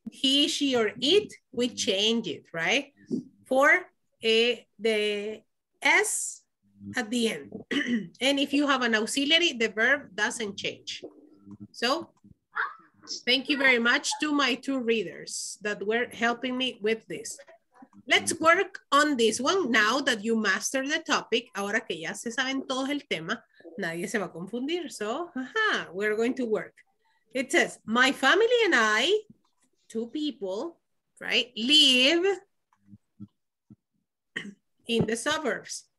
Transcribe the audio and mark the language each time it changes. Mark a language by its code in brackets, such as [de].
[en] He, she, or it, we change it, right? For the S at the end. And if you have an auxiliary, the verb doesn't change. So thank you very much to my two readers that were helping me with this. Let's work on this one now that you master the topic. [es] Ahora que ya se saben todos el tema, nadie se va a confundir. [en] So we're going to work. It says, my family and I, two people, right, live in the suburbs.